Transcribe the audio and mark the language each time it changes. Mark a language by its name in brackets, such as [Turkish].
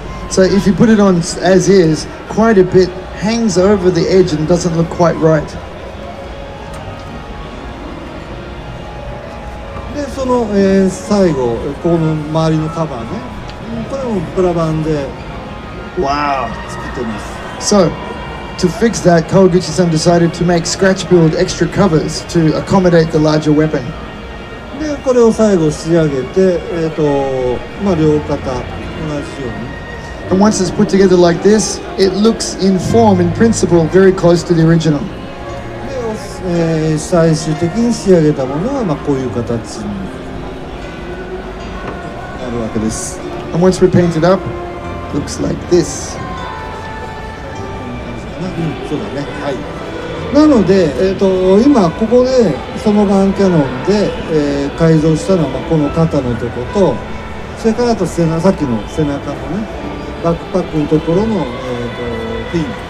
[English] So if you put it on as is, quite a bit hangs over the edge and doesn't look quite right. [Japanese] で、その、最後、この周りのカバーね。これもプラ板で。 [English] Wow! So, to fix that, Kawaguchi-san decided to make scratch-build extra covers to accommodate the larger weapon. [Japanese] で、これを最後仕上げて、まあ、両肩同じように。 [English] And once it's put together like this, it looks in form, in principle, very close to the original. [Japanese] で、最終的に仕上げたものは、まあ、こういう形になるわけです。 [English] And once we paint it up,Looks like this. [Japanese] そうだね。はい。なので、今ここでそのガンキャノンで、改造したのはこの肩のとこと、それからあと背中、さっきの背中のね、バックパックのところの、ピン。